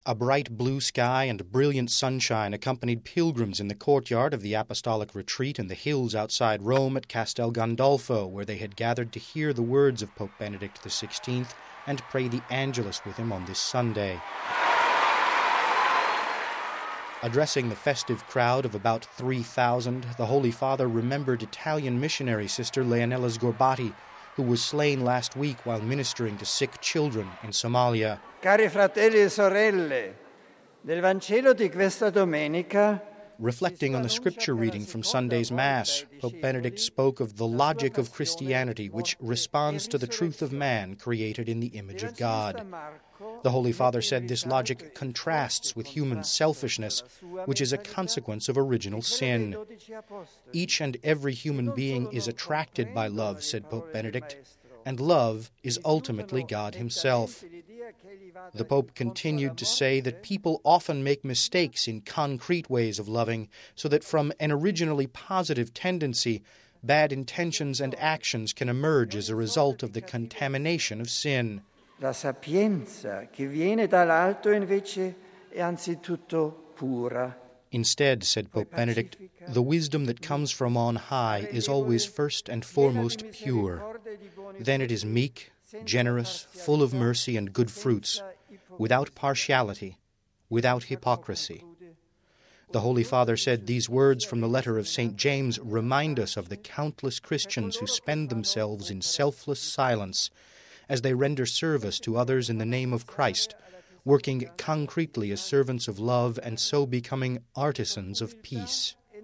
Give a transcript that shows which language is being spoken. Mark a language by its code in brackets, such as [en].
[en] A bright blue sky and brilliant sunshine accompanied pilgrims in the courtyard of the apostolic retreat in the hills outside Rome at Castel Gandolfo, where they had gathered to hear the words of Pope Benedict XVI and pray the Angelus with him on this Sunday. Addressing the festive crowd of about 3,000, the Holy Father remembered Italian missionary sister Leonella Sgorbati, who was slain last week while ministering to sick children in Somalia. [it] Cari fratelli e sorelle, nel Vangelo di questa domenica. [en] Reflecting on the scripture reading from Sunday's Mass, Pope Benedict spoke of the logic of Christianity, which responds to the truth of man created in the image of God. The Holy Father said this logic contrasts with human selfishness, which is a consequence of original sin. Each and every human being is attracted by love, said Pope Benedict, and love is ultimately God himself. The Pope continued to say that people often make mistakes in concrete ways of loving, so that from an originally positive tendency, bad intentions and actions can emerge as a result of the contamination of sin. [it] La sapienza che viene dall'alto invece è anzitutto pura. [en] Instead, said Pope Benedict, the wisdom that comes from on high is always first and foremost pure. Then it is meek, generous, full of mercy and good fruits, without partiality, without hypocrisy. The Holy Father said these words from the letter of St. James remind us of the countless Christians who spend themselves in selfless silence as they render service to others in the name of Christ, working concretely as servants of love and so becoming artisans of peace.